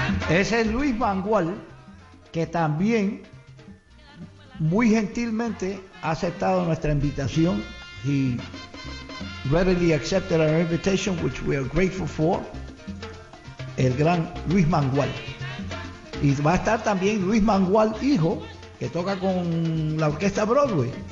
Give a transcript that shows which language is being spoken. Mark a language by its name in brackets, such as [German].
[Spanish] Ese es Luis Mangual, que también muy gentilmente ha aceptado nuestra invitación. [English] He readily accepted our invitation, which we are grateful for. [Spanish] El gran Luis Mangual. Y va a estar también Luis Mangual, hijo, que toca con la orquesta Broadway.